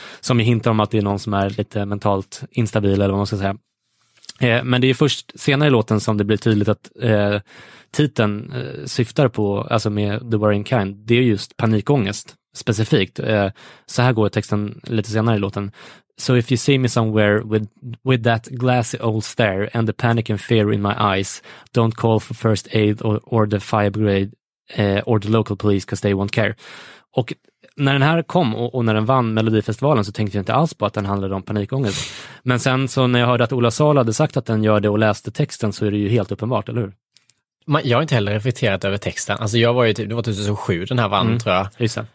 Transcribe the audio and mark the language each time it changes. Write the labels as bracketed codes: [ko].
[sv] Som ju hintar om att det är någon som är lite mentalt instabil eller vad man ska säga. Men det är först senare i låten som det blir tydligt att titeln syftar på, alltså med The Worrying Kind, det är just panikångest specifikt. Så här går texten lite senare i låten. [en] So if you see me somewhere with that glassy old stare and the panic and fear in my eyes, don't call for first aid or the fire brigade or the local police because they won't care. [sv] Och när den här kom och när den vann Melodifestivalen så tänkte jag inte alls på att den handlade om panikångest. Men sen så när jag hörde att Ola Salo hade sagt att den gör det och läste texten så är det ju helt uppenbart, eller hur? Man, jag har inte heller reflekterat över texten. Alltså jag var ju typ, det var 2007 den här vann tror jag. Just.